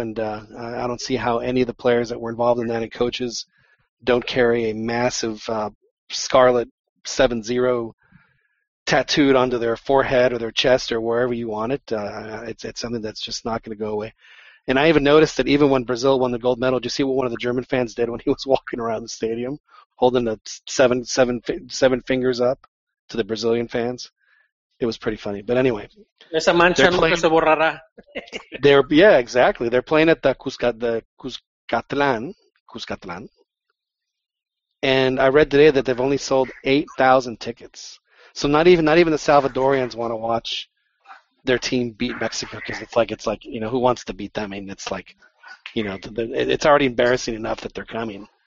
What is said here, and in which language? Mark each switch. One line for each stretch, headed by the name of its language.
English: And I don't see how any of the players that were involved in that and coaches don't carry a massive scarlet 7-0 tattooed onto their forehead or their chest or wherever you want it. It's something that's just not going to go away. And I even noticed that even when Brazil won the gold medal, did you see what one of the German fans did when he was walking around the stadium holding the seven fingers up to the Brazilian fans? It was pretty funny. But anyway.
Spanish: Esa mancha no que se borrará.
English: Yeah, exactly. They're playing at the Cuscatlan. And I read today that they've only sold 8,000 tickets. So not even the Salvadorians want to watch their team beat Mexico, because it's like, you know, who wants to beat them? I mean, it's like, you know, it's already embarrassing enough that they're coming.